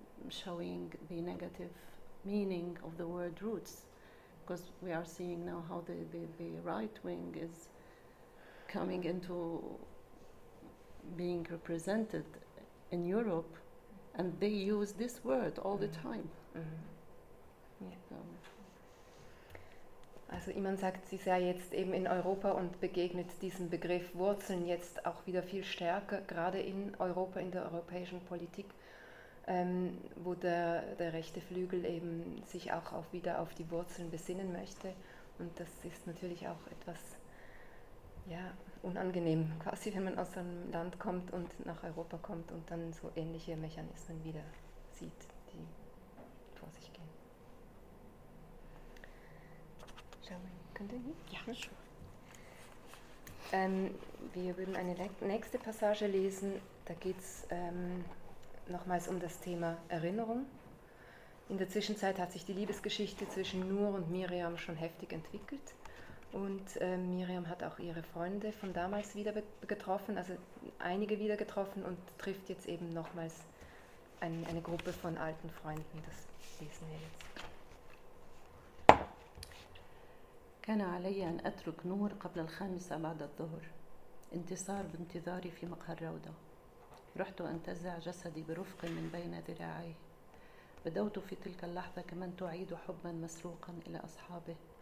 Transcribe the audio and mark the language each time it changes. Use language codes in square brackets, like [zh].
[en] showing the negative meaning of the word roots, because we are seeing now how the right wing is coming into being represented in Europe, and they use this word all the time. [de] Also Iman sagt, sie sei jetzt eben in Europa und begegnet diesem Begriff Wurzeln jetzt auch wieder viel stärker, gerade in Europa, in der europäischen Politik, wo der rechte Flügel eben sich auch wieder auf die Wurzeln besinnen möchte. Und das ist natürlich auch etwas unangenehm, quasi, wenn man aus einem Land kommt und nach Europa kommt und dann so ähnliche Mechanismen wieder sieht, die vor sich gehen. [en] Shall we continue? Yeah, sure. [de] Wir würden eine nächste Passage lesen. Da geht es nochmals um das Thema Erinnerung. In der Zwischenzeit hat sich die Liebesgeschichte zwischen Nur und Miriam schon heftig entwickelt. Und Miriam hat auch ihre Freunde von damals wieder getroffen, also einige wieder getroffen, und trifft jetzt eben nochmals eine Gruppe von alten Freunden. Das lesen wir jetzt. [ar] كان علي أن أترك نور قبل الخامسة بعد الظهر، انتصار بانتظاري في مقهى الروضة. رحت أنتزع جسدي برفق من بين ذراعيه. بدوت في تلك اللحظة كمن تعيد حبا مسروقا إلى أصحابه.